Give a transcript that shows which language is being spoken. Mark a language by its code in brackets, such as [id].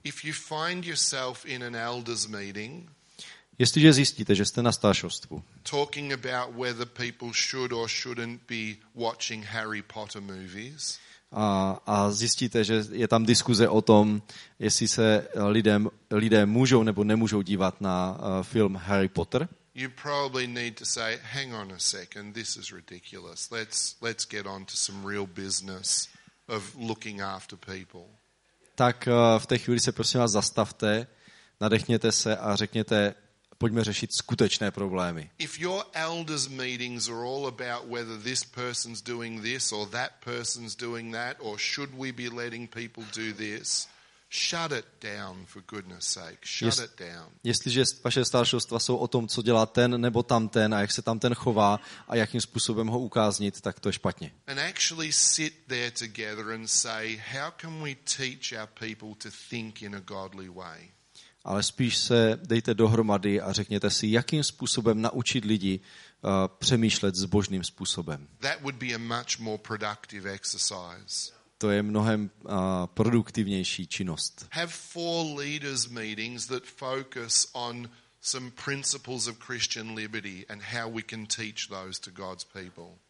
[en] If you find yourself in an elders meeting, [cs] jestliže zjistíte, že jste na staršovstvu, [en] talking about whether people should or shouldn't be watching Harry Potter movies, [cs] a zjistíte, že je tam diskuze o tom, jestli se lidé můžou nebo nemůžou dívat na film Harry Potter, [en] you probably need to say, hang on a second, this is ridiculous. Let's get on to some real business of looking after people. [cs] Tak v té chvíli se prosím vás zastavte, nadechněte se a řekněte, pojďme řešit skutečné problémy. [en] If your elders meetings are all about whether this person's doing this or that person's doing that or should we be letting people do this, shut it down for goodness sake. Shut it down. [cs] Jestliže vaše staršovstva jsou o tom, co dělá ten nebo tamten a jak se tamten chová a jakým způsobem ho ukáznit, tak to je špatně. [en] And actually sit there together and say, how can we teach our people to think in a godly way? [cs] ale spíš se dejte dohromady a řekněte si, jakým způsobem naučit lidi přemýšlet zbožným způsobem. [en] That would be a much more productive exercise. [cs] To je mnohem produktivnější činnost. [en] Have four leaders meetings that focus on some principles of Christian liberty and how we can teach those to God's people.